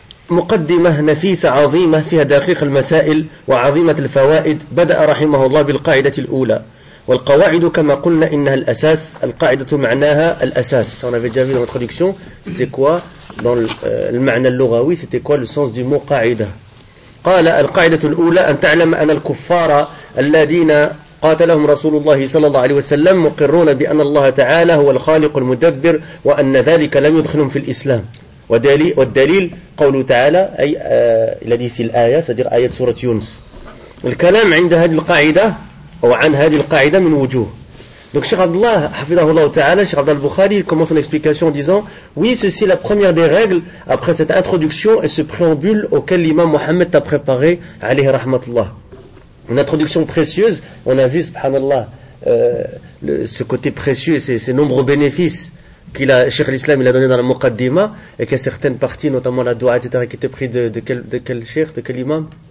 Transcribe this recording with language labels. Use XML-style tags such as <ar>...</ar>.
<ar>مقدمة نفيسة عظيمة فيها دقيق المسائل وعظيمة الفوائد. بدأ رحمه الله بالقاعدة الأولى, والقواعد كما قلنا إنها الأساس. القاعدة معناها الأساس.</ar> <fr>On avait déjà vu dans l'introduction, c'était quoi dans le</fr> <ar>معنى اللغوي,</ar> <fr>c'était quoi le sens du mot قاعدة.</fr> <ar>قال: القاعدة الأولى أن تعلم أن الكفار الذين قاتلهم رسول الله صلى الله عليه وسلم مقرون بأن الله تعالى هو الخالق المدبر وأن ذلك لم يدخلهم في الإسلام. والدليل قوله تعالى, أي الذي في الآية, صدر آية سورة يونس. الكلام عند هذه القاعدة أو عن هذه القاعدة من وجوه.</ar> <fr>Donc Cheikh Abdullah,</fr> <ar>حفظه الله تعالى,</ar> <fr>Cheikh Abdullah al-Bukhari, il commence son explication en disant: oui, ceci est la première des règles après cette introduction et ce préambule auquel l'imam Mohammed t'a préparé,</fr> <ar>عليه رحمة الله.</ar> <fr>Une introduction précieuse. On a vu, subhanallah, ce côté précieux et ses nombreux bénéfices qu'il a, Cheikh l'Islam, il a donné dans la Muqaddima, et qu'il y a certaines parties, notamment la doua, etc., qui étaient prises de quel Cheikh, de quel imam?</fr>